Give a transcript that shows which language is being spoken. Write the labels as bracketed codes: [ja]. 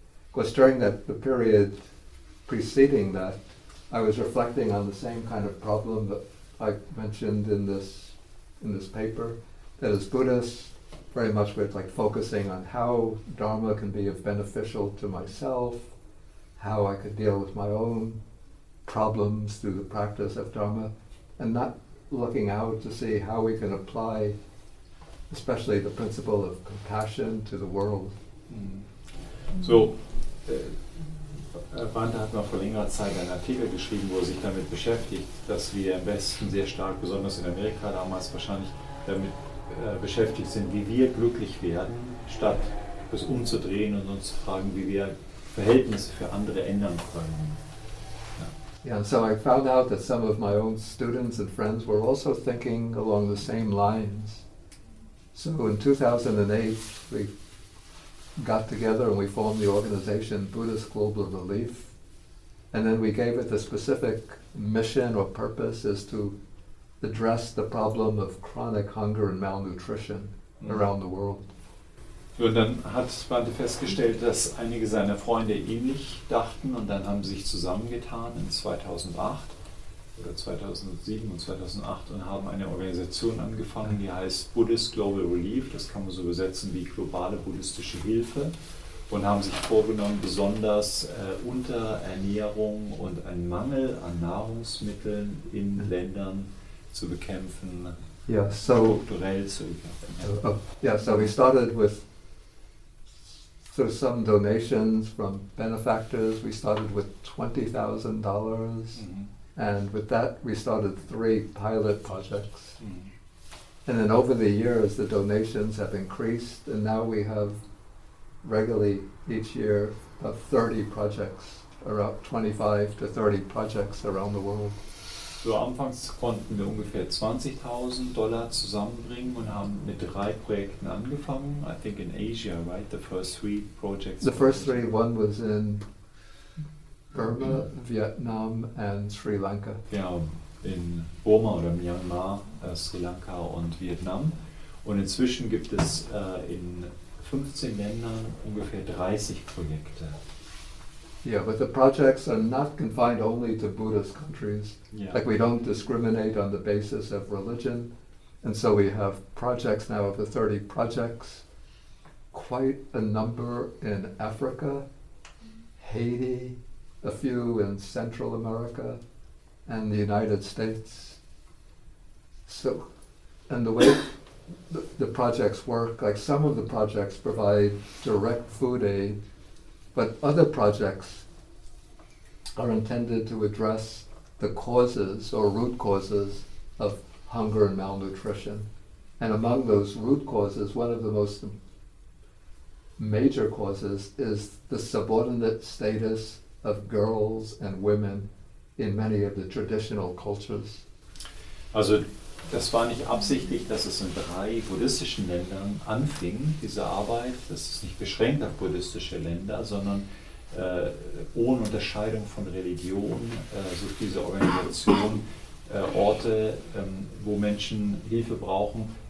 [en] Because during the period preceding that, I was reflecting on the same kind of problem that I mentioned in this paper, that as Buddhists, very much with like focusing on how Dharma can be of beneficial to myself, how I could deal with my own problems through the practice of Dharma, and not looking out to see how we can apply especially the principle of compassion to the world. [de] So, Bante hat mal vor längerer Zeit einen Artikel geschrieben, wo er sich damit beschäftigt, dass wir im Westen sehr stark, besonders in Amerika damals wahrscheinlich, damit beschäftigt sind, wie wir glücklich werden, statt es umzudrehen und uns zu fragen, wie wir Verhältnisse für andere ändern können. [en] Yeah, and so I found out that some of my own students and friends were also thinking along the same lines. So in 2008, we got together and we formed the organization Buddhist Global Relief. And then we gave it the specific mission or purpose is to address the problem of chronic hunger and malnutrition around the world. [de] Und dann hat Bante festgestellt, dass einige seiner Freunde ähnlich dachten und dann haben sie sich zusammengetan in 2008 oder 2007 und 2008 und haben eine Organisation angefangen, die heißt Buddhist Global Relief, das kann man so übersetzen wie globale buddhistische Hilfe und haben sich vorgenommen, besonders Unterernährung und einen Mangel an Nahrungsmitteln in Ländern zu bekämpfen, strukturell zu bekämpfen. [en] So we started with through some donations from benefactors, we started with $20,000, and with that we started three pilot projects. And then over the years the donations have increased, and now we have regularly each year about 30 projects, around 25 to 30 projects around the world. [de] So anfangs konnten wir ungefähr $20,000 zusammenbringen und haben mit drei Projekten angefangen. [en] I think in Asia, right? The first three projects. The first three, one was in Burma, Vietnam and Sri Lanka. [de] Ja, in Burma oder Myanmar, Sri Lanka und Vietnam. Und inzwischen gibt es in 15 Ländern ungefähr 30 Projekte. [en] Yeah, but the projects are not confined only to Buddhist countries. Yeah. Like we don't discriminate on the basis of religion. And so we have projects now of the 30 projects, quite a number in Africa, Haiti, a few in Central America, and the United States. So, and the way the projects work, like some of the projects provide direct food aid, but other projects are intended to address the causes or root causes of hunger and malnutrition. And among those root causes, one of the most major causes is the subordinate status of girls and women in many of the traditional cultures. [de] Also, das war nicht absichtlich, dass es in drei buddhistischen Ländern anfing, diese Arbeit. Das ist nicht beschränkt auf buddhistische Länder, sondern ohne Unterscheidung von Religion sucht diese Organisation Orte, wo Menschen Hilfe brauchen.